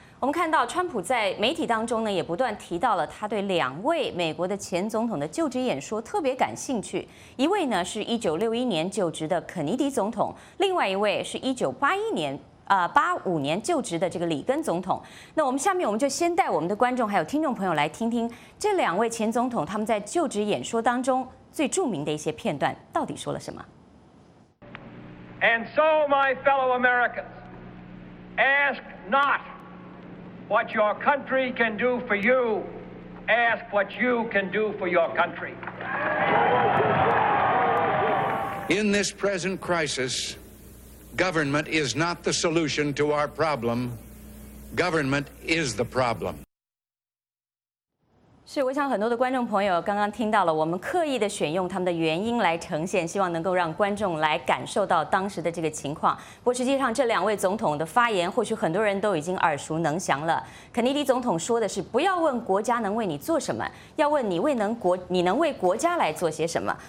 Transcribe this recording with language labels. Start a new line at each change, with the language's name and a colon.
Chinese: 我们看到川普在媒体当中呢也不断提到了他对两位美国的前总统的就职演说特别感兴趣，一位呢是1961年就职的肯尼迪总统，另外一位是1985年就职的这个里根总统。那我们下面我们就先带我们的观众还有听众朋友来听听这两位前总统他们在就职演说当中最著名的一些片段到底说了什么。
English: And so, my fellow Americans, ask not what your country can do for you, ask what you can do for your country. In this present crisis, government is not the solution to our problem. Government is the problem.
Chinese: 是，我想很多的观众朋友刚刚听到了，我们刻意的选用他们的原因来呈现，希望能够让观众来感受到当时的这个情况。不过实际上这两位总统的发言或许很多人都已经耳熟能详了。肯尼迪总统说的是不要问国家能为你做什么，要问你能为国家来做些什么。